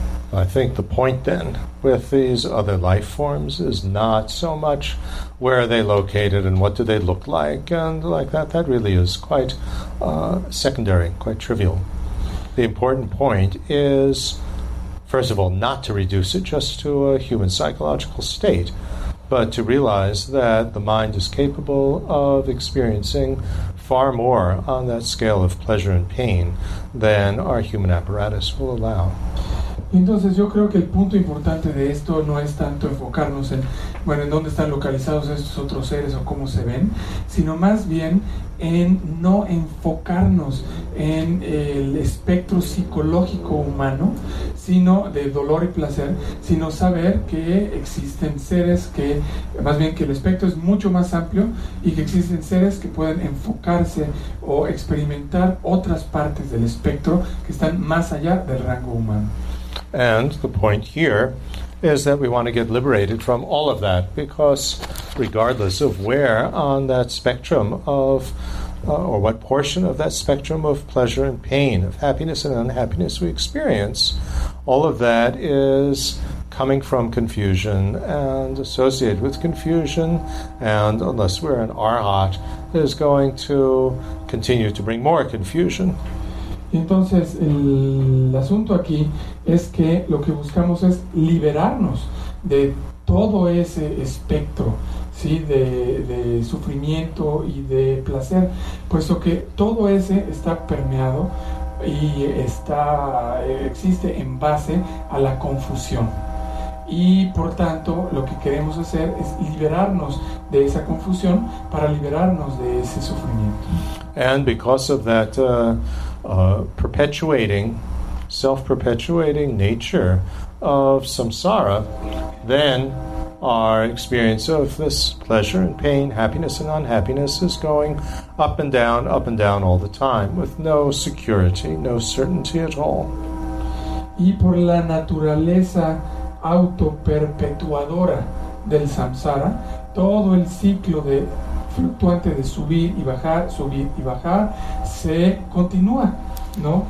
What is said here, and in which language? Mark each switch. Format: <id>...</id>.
<en>I think the point then with these other life forms is not so much where are they located and what do they look like and like that. That really is quite secondary, quite trivial. The important point is, first of all, not to reduce it just to a human psychological state, but to realize that the mind is capable of experiencing far more on that scale of pleasure and pain than our human apparatus will allow.</en> <es>Entonces yo creo que el punto importante de esto no es tanto enfocarnos en, bueno, en dónde están localizados estos otros seres o cómo se ven, sino más bien en no enfocarnos en el espectro psicológico humano, sino de dolor y placer, sino saber que existen seres que, más bien que el espectro es mucho más amplio y que existen seres que pueden enfocarse o experimentar otras partes del espectro que están más allá del rango humano.</es> <en>And the point here is that we want to get liberated from all of that, because regardless of where on that spectrum of, or what portion of that spectrum of pleasure and pain, of happiness and unhappiness we experience, All of that is coming from confusion and associated with confusion, and unless we're an arhat, is going to continue to bring more confusion.</en> <es>Entonces, el asunto aquí es que lo que buscamos es liberarnos de todo ese espectro, ¿sí? De sufrimiento y de placer, puesto que todo ese está permeado y está, existe en base a la confusión. Y por tanto, lo que queremos hacer es liberarnos de esa confusión para liberarnos de ese sufrimiento.</es> <en>And because of that perpetuating, self-perpetuating nature of samsara, then our experience of this pleasure and pain, happiness and unhappiness, is going up and down all the time, with no security, no certainty at all.</en> <es>Y por la naturaleza autoperpetuadora del samsara, todo el ciclo de fluctuante de subir y bajar, se continúa, ¿no?</es>